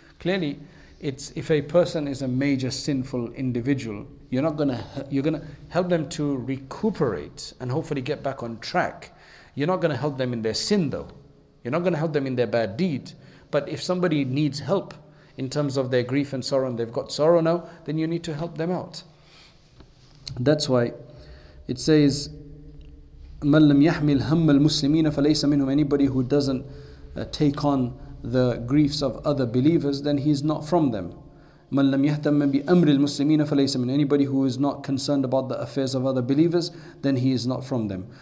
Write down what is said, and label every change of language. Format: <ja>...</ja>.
<en>Clearly, it's if a person is a major sinful individual, you're gonna help them to recuperate and hopefully get back on track. You're not going to help them in their sin though. You're not going to help them in their bad deed. But if somebody needs help in terms of their grief and sorrow, and they've got sorrow now, then you need to help them out.</en> <ar>That's why it says, مَنْ لَمْ يَحْمِلْ هَمَّ الْمُسْلِمِينَ فَلَيْسَ مِنْهُمْ.</ar> <en>Anybody who doesn't take on the griefs of other believers, then he's not from them.</en> <ar>مَنْ لَمْ يَهْتَمَّ بِأَمْرِ الْمُسْلِمِينَ فَلَيْسَ مِنْ.</ar> <en>Anybody who is not concerned about the affairs of other believers, then he is not from them.</en>